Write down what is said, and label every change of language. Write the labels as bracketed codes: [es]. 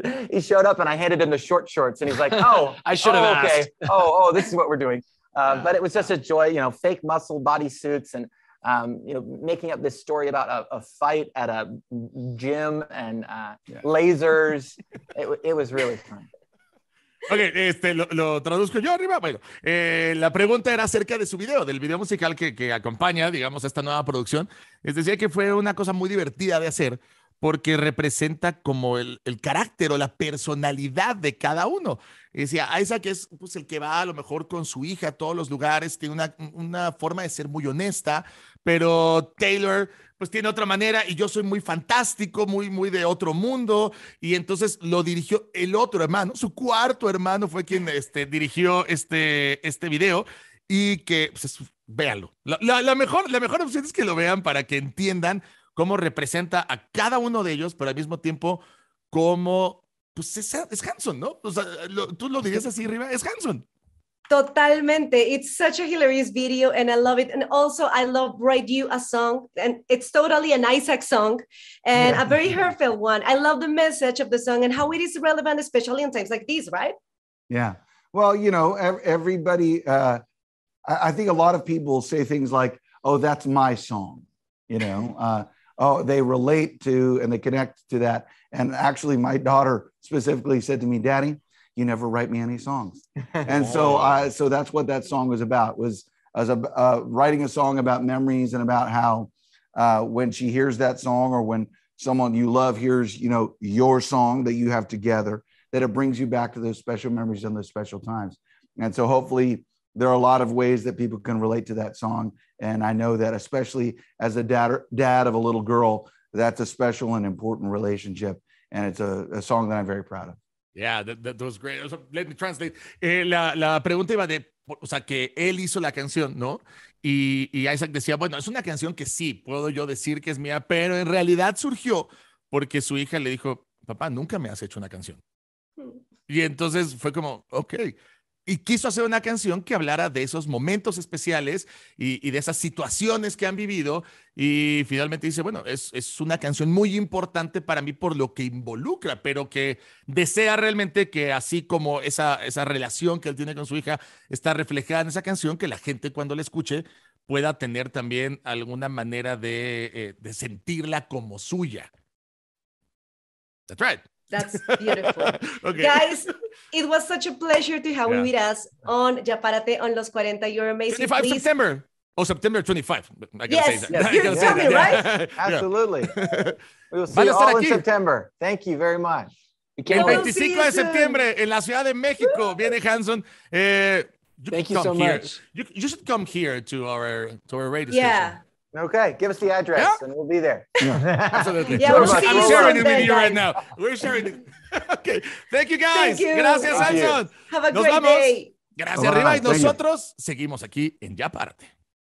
[en] He showed up and I handed him the short shorts and he's like, oh, I should have asked. Oh, this is what we're doing. But it was just a joy, you know, fake muscle body suits and you know, making up this story about a fight at a gym and lasers. it was really fun. [es] Okay, lo traduzco yo arriba. Bueno, la pregunta era acerca de su video, del video musical que acompaña, digamos, esta nueva producción. Es decir, que fue una cosa muy divertida de hacer porque representa como el carácter o la personalidad de cada uno. Y decía, Isaac es pues, el que va a lo mejor con su hija a todos los lugares, tiene una forma de ser muy honesta, pero Taylor pues tiene otra manera y yo soy muy fantástico, muy, muy de otro mundo. Y entonces lo dirigió el otro hermano, su cuarto hermano fue quien dirigió este video y que, pues, véanlo. La mejor opción es que lo vean para que entiendan cómo representa a cada uno de ellos, pero al mismo tiempo cómo, pues es Hanson, ¿no? O sea, tú lo dirías así, Riva, es Hanson. Totalmente. [en] It's such a hilarious video and I love it. And also I love Write You a Song and it's totally an Isaac song and a very heartfelt one. I love the message of the song and how it is relevant, especially in times like these, right? Yeah. Well, you know, everybody I think a lot of people say things like, oh, that's my song, you know? Oh, they relate to and they connect to that. And actually, my daughter specifically said to me, Daddy, you never write me any songs. And so that's what that song was about, was as a writing a song about memories and about how when she hears that song, or when someone you love hears, you know, your song that you have together, that it brings you back to those special memories and those special times. And so hopefully there are a lot of ways that people can relate to that song. And I know that especially as a dad of a little girl, that's a special and important relationship. And it's a song that I'm very proud of. Yeah, that was great. So let me translate. [es] La pregunta iba de, o sea, que él hizo la canción, ¿no? Y Isaac decía, bueno, es una canción que sí, puedo yo decir que es mía, pero en realidad surgió porque su hija le dijo, papá, nunca me has hecho una canción. Y entonces fue como, okay. Y quiso hacer una canción que hablara de esos momentos especiales y de esas situaciones que han vivido. Y finalmente dice, bueno, es una canción muy importante para mí por lo que involucra, pero que desea realmente que así como esa relación que él tiene con su hija está reflejada en esa canción, que la gente cuando la escuche pueda tener también alguna manera de sentirla como suya. [en] That's right. That's beautiful. Okay. Guys, it was such a pleasure to have you with us on Ya Párate on Los 40. You're amazing. 25 please. September. Oh, September 25. I gotta say that. You're coming, right? Absolutely. We will see you all in September. Thank you very much. [es] El 25 de septiembre en la Ciudad de México viene Hanson. [en] Thank you so much. You should come here to our radio station. Okay, give us the address and we'll be there. Yeah. Absolutely. Yeah, I'm sharing it with you right now. We're sharing it. Okay, thank you guys. Thank you. [es] Gracias, Hanson. [en] Have a great day. [es] Gracias, arriba. Y nosotros seguimos aquí en Ya Párate.